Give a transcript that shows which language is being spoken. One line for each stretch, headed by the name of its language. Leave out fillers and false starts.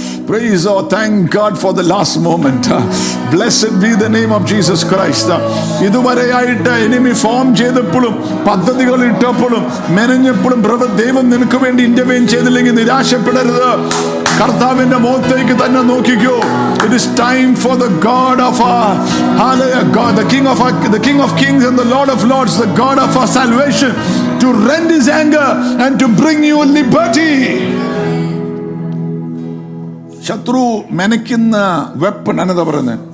English: Praise God, thank God for the last moment. Blessed be the name of Jesus Christ.
Malayalam: ഇതുവരെ ആയിട്ട് enemy form ചെയ്തപ്പോഴും പദ്ധതികൾ ഇട്ടപ്പോഴും മെനഞ്ഞപ്പോഴും brother ദൈവം നിനക്ക് വേണ്ടി ഇന്റർവീൻ ചെയ്തില്ലെങ്കിൽ നിരാശപ്പെടരുത്. കർത്താവിന്റെ മുഖത്തേക്ക് തന്നെ നോക്കിക്കോ.
English: It is time for the God of our hallelujah, God, the King of Kings and the Lord of Lords, the God of our salvation, to rend his anger and to bring you liberty.
Malayalam: ശത്രു മെനയ്ക്കുന്ന weapon അനത പറയുന്നത്,